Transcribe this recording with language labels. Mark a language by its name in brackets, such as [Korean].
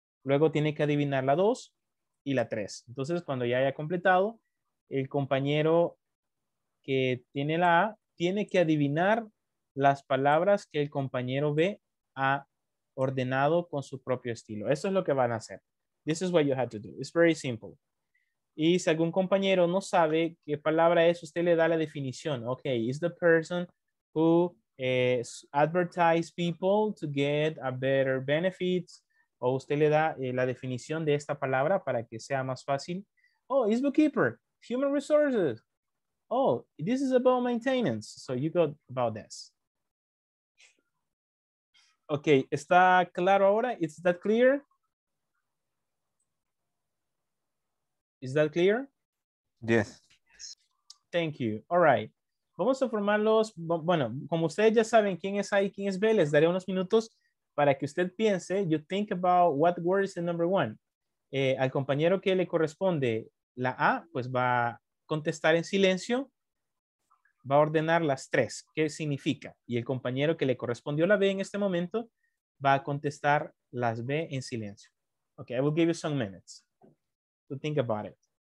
[Spanish] Luego tiene que adivinar la 2 y la 3. Entonces, cuando ya haya completado, el compañero que tiene la A tiene que adivinar las palabras que el compañero B ha ordenado con su propio estilo. Eso es lo que van a hacer. [English] This is what you have to do. It's very simple. [Spanish] Y si algún compañero no sabe qué palabra es, usted le da la definición. [English] Ok, it's the person who advertise people to get a better benefits. [Spanish] O usted le da la definición de esta palabra para que sea más fácil. [English] Oh, it's bookkeeper, human resources. Oh, this is about maintenance. So you got about this. [Spanish] Ok, ¿está claro ahora? [English] Is that clear? Is that clear? Yes. Thank you. All right. [Spanish] Vamos a formarlos. Bueno, como ustedes ya saben quién es A y quién es B, les daré unos minutos para que usted piense. [English] You think about what word is the number one. [Spanish] Al compañero que le corresponde la A, pues va a contestar en silencio. Va a ordenar las tres. ¿Qué significa? Y el compañero que le correspondió la B en este momento va a contestar las B en silencio. [English] Okay, I will give you some minutes to think about it.